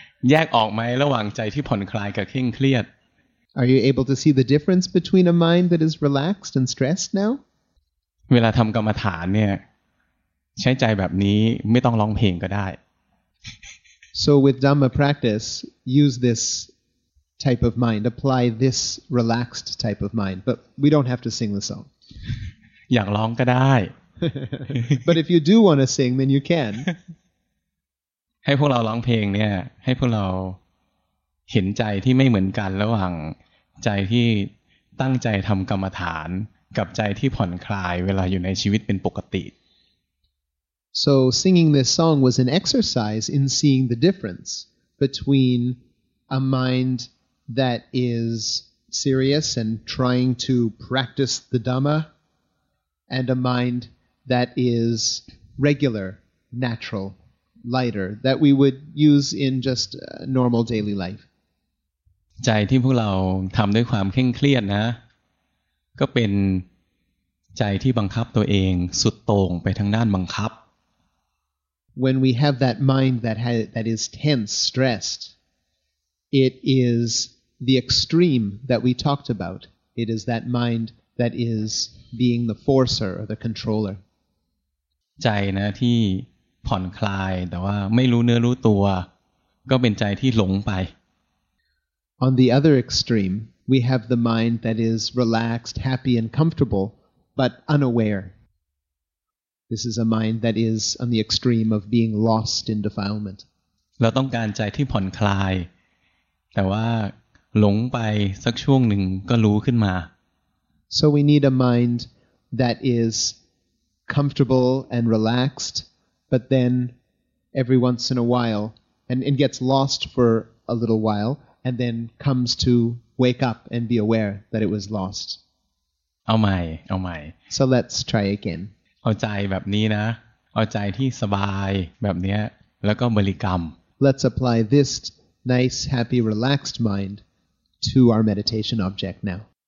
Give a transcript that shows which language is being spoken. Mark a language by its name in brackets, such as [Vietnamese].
[Thai] แยกออกไหมระหว่างใจที่ผ่อนคลายกับเคร่งเครียด [English] Are you able to see the difference between a mind that is relaxed and stressed now? [Thai] เวลาทำกรรมฐานเนี่ยใช้ใจแบบนี้ไม่ต้องร้องเพลงก็ได้ [English] So with Dhamma practice use this type of mind apply this relaxed type of mind but we don't have to sing the song [Thai] อยากร้องก็ได้ [English] But if you do want to sing then you can [Thai] ให้พวกเราร้องเพลงเนี่ยให้พวกเราเห็นใจที่ไม่เหมือนกันระหว่างใจที่ตั้งใจทำกรรมฐานกับใจที่ผ่อนคลายเวลาอยู่ในชีวิตเป็นปกติ [English] So singing this song was an exercise in seeing the difference between a mind that is serious and trying to practice the Dhamma and a mind that is regular, natural, lighter that we would use in just normal daily life [Thai] ใจที่พวกเราทำด้วยความเคร่งเครียดนะก็เป็นใจที่บังคับตัวเองสุดโต่งไปทางด้านบังคับ [English] when we have that mind that is tense, stressed, it is the extreme that we talked about. It is that mind that is being the forcer or the controller. [Thai] ใจนะที่ผ่อนคลายแต่ว่าไม่รู้เนื้อรู้ตัวก็เป็นใจที่หลงไป [English] On the other extreme, we have the mind that is relaxed, happy, and comfortable, but unaware. This is a mind that is on the extreme of being lost in defilement. [Thai] เราต้องการใจที่ผ่อนคลายแต่ว่าหลงไปสักช่วงหนึ่งก็รู้ขึ้นมา [English] So we need a mind that is comfortable and relaxed, but then every once in a while, and gets lost for a little while, and then comes to wake up and be aware that it was lost. [Thai] เอาใหม่เอาใหม่ [English] So let's try again. [Thai] เอาใจแบบนี้นะเอาใจที่สบายแบบนี้แล้วก็บริกรรม [English] Let's apply this nice, happy, relaxed mind. To our meditation object now.